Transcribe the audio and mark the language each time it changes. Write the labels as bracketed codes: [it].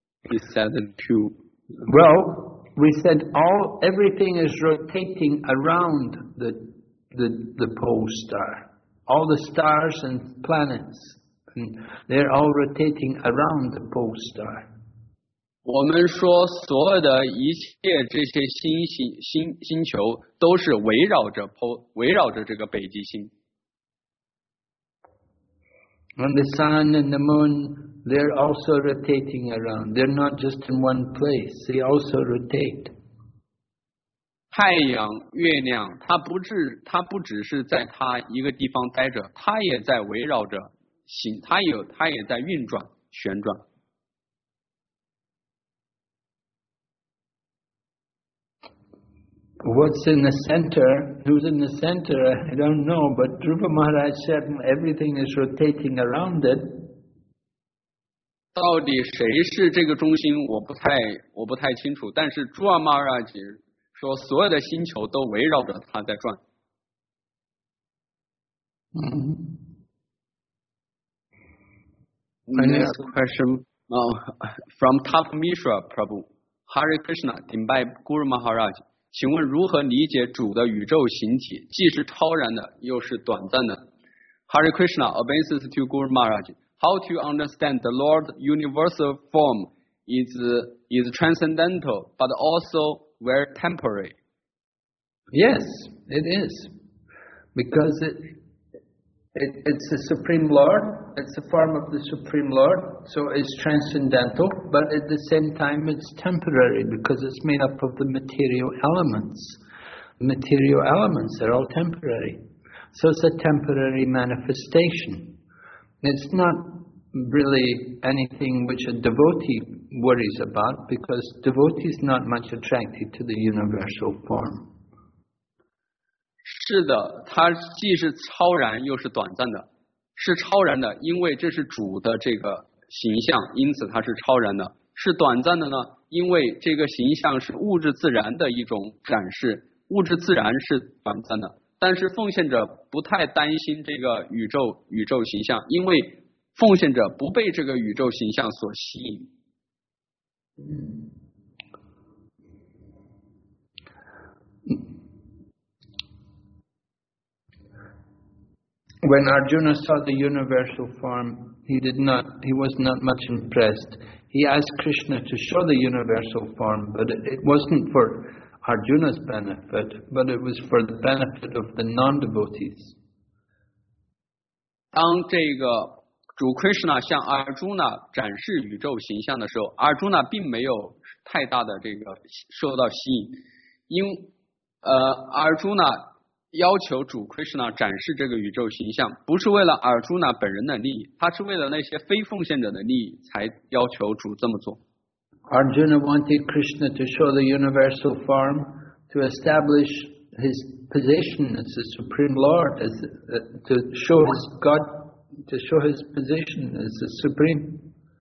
[en] He said to... Well, we said everything is rotating around the pole star. All the stars and planets, they're all rotating around the pole star. [zh] 我们说所有的一切这些星球都是围绕着这个北极星。 [en] And the sun and the moon, they're also rotating around. They're not just in one place. They also rotate. [zh] 太阳、月亮，它不只是在它一个地方待着，它也在围绕着，它也在运转、旋转。 [en] What's in the center? Who's in the center? I don't know, but Dhruva Maharaj said everything is rotating around it. [zh] 到底谁是这个中心？我不太清楚。但是 Dhruva Maharaj 说，所有的星球都围绕着它在转。 [en] next question. [zh] From Tap Mishra Prabhu, Hare Krishna, Timbai Guru Maharaj, 请问如何理解主的宇宙形体，既是超然的，又是短暂的？ [en] Hare Krishna, obeisance to Guru Maharaj, how to understand the Lord's universal form is transcendental, but also very temporary? Yes, it is. Because it's the Supreme Lord, it's the form of the Supreme Lord, so it's transcendental, but at the same time it's temporary because it's made up of the material elements. Material elements are all temporary. So it's a temporary manifestation. It's not really anything which a devotee worries about because devotee is not much attracted to the universal form. [zh] 是的，它既是超然又是短暂的，是超然的，因为这是主的这个形象，因此它是超然的，是短暂的呢，因为这个形象是物质自然的一种展示，物质自然是短暂的，但是奉献者不太担心这个宇宙形象，因为奉献者不被这个宇宙形象所吸引。 [en] When Arjuna saw the universal form, he was not much impressed. He asked Krishna to show the universal form, but it wasn't for Arjuna's benefit, but it was for the benefit of the non-devotees. [zh] 当这个主 Krishna 向 Arjuna 展示宇宙形象的时候， Arjuna 并没有太大的这个受到吸引，因Arjuna要求主 Krishna 展示这个宇宙形象，不是为了 Arjuna 本人的利益，他是为了那些非奉献者的利益才要求主这么做。 [en] Arjuna wanted Krishna to show the universal form to establish his position as the Supreme Lord, to show his position as the Supreme.